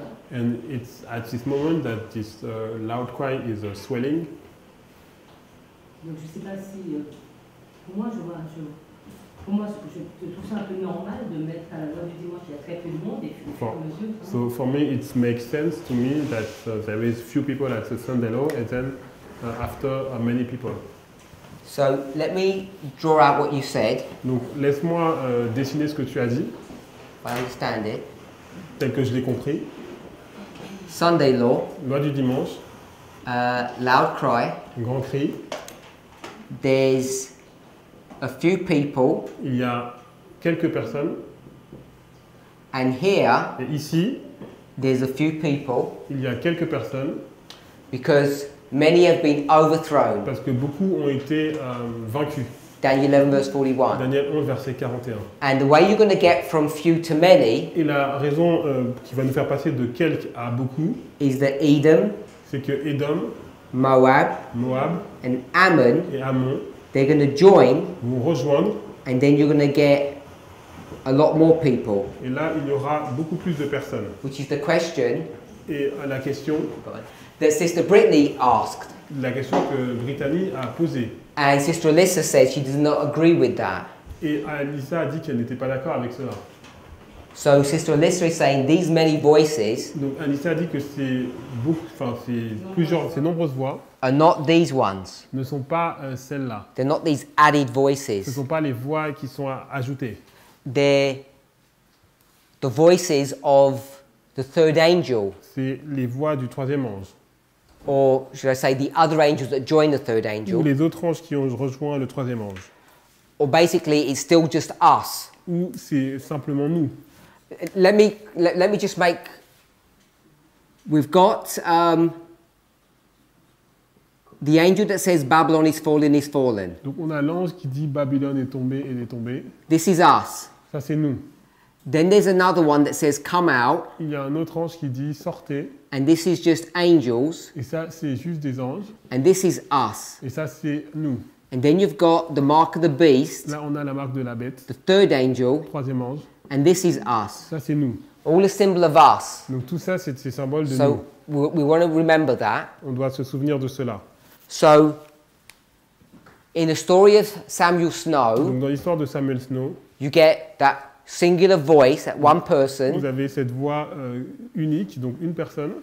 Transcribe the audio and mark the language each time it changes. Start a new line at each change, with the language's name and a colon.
English: And it's at this moment that this loud cry is swelling.
French: Donc je sais pas si pour moi je vois je, pour moi je trouve ça un peu normal de mettre à la voie du dimanche il y a très peu de monde et
English: few people. So for me it makes sense to me that there is few people at the Sunday law and then after many people. So let me draw out what you said.
French: Donc laisse-moi dessiner ce que tu as dit.
English: I understand it.
French: Tel que je l'ai compris.
English: Sunday law.
French: Loi du dimanche.
English: Loud cry.
French: Grand cri.
English: There's a few people.
French: Il y a quelques personnes.
English: And here.
French: Et ici.
English: There's a few people.
French: Il y a quelques personnes.
English: Because many have been overthrown.
French: Parce que beaucoup ont été vaincus.
English: Daniel 11 verse 41.
French: Daniel 11 verset 41.
English: And the way you're going to get from few to many.
French: Et la raison qui va nous faire passer de quelques à beaucoup.
English: Is that Edom.
French: C'est que Edom.
English: Moab and Ammon,
French: et Ammon,
English: they're going to join,
French: vont rejoindre,
English: and then you're going to get a lot more people.
French: Et là, il y aura beaucoup plus de personnes.
English: Which is the question?
French: Et la question?
English: That Sister Brittany asked.
French: La question que Brittany a posée.
English: And Sister Alyssa said she does not agree with that.
French: Et Alyssa a dit qu'elle n'était pas d'accord avec cela.
English: So Sister Alyssa is saying these many voices.
French: Donc Alyssa dit que c'est beaucoup, enfin c'est plusieurs, c'est nombreuses voix.
English: Are not these ones.
French: Ne sont pas celles-là.
English: They're not these added voices.
French: Ce sont pas les voix qui sont ajoutées.
English: They're the voices of the third angel.
French: C'est les voix du troisième ange.
English: Or should I say the other angels that join the third angel.
French: Ou les autres anges qui ont rejoint le troisième ange.
English: Or basically it's still just us.
French: Ou c'est simplement nous.
English: Let me just make. We've got the angel that says Babylon is fallen is fallen.
French: Donc on a l'ange qui dit Babylone est tombé et est tombé.
English: This is us.
French: Ça c'est nous.
English: Then there's another one that says come out.
French: Il y a un autre ange qui dit sortez.
English: And this is just angels.
French: Et ça c'est juste des anges.
English: And this is us.
French: Et ça c'est nous.
English: And then you've got the mark of the beast.
French: Là on a la marque de la bête.
English: The third angel.
French: Le troisième ange.
English: And this is us.
French: Ça, c'est nous.
English: All a symbol of us.
French: Donc tout ça, c'est ces symboles de
English: so,
French: nous.
English: So we want to remember that.
French: On doit se souvenir de cela.
English: So in the story of Samuel Snow.
French: Donc dans l'histoire de Samuel Snow.
English: You get that singular voice, that one person.
French: Vous avez cette voix unique, donc une personne.